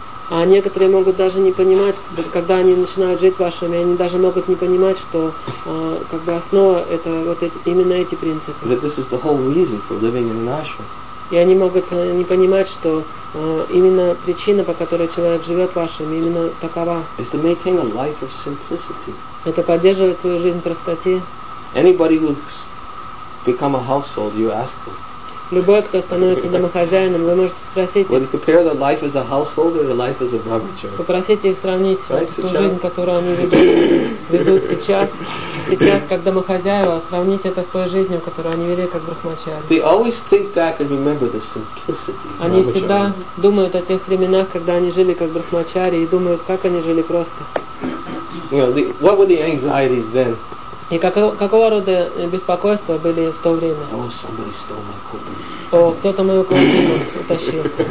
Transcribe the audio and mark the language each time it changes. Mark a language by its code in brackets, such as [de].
[ru] А некоторые могут даже не понимать, когда они начинают жить вашими, они даже могут не понимать, что как бы основа это вот эти, именно эти принципы. [en] That this is the whole reason for living in an ashram. [ru] И они могут не понимать, что именно причина, по которой человек живет вашими, именно такова. [en] Is to maintain a life of simplicity. [ru] Это поддерживает свою жизнь в простоте. [en] Anybody who become a household, you ask them. [ru] Любой, кто становится домохозяином, вы можете спросить. [en] Would you compare the life as a household or the life as a brahmachari? [ru] Попросите их сравнить ту жизнь, которую они ведут сейчас как домохозяева, сравнить это с той жизнью, которую они вели как брахмачари. [en] They always think back and remember the simplicity. [ru] Они всегда думают о тех временах, когда они жили как брахмачари, и думают, как они жили просто. [en] What were the anxieties then? [ru] И какого рода беспокойства были в то время? [en] Oh, somebody stole my coins. [ru] О, кто-то мою квартиру утащил.